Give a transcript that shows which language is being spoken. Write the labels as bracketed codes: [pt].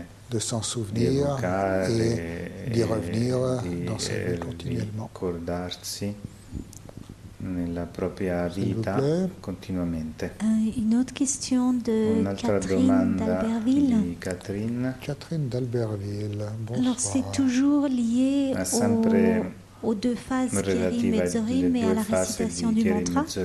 [fr] de s'en souvenir et d'y revenir dans sa vie continuellement. [it] Ricordarsi nella propria vita continuamente. Un'altra domanda di Catherine. [fr] Catherine d'Alberville, bonsoir. Alors c'est toujours lié aux deux phases Kerim et Zorim et à la récitation du mantra.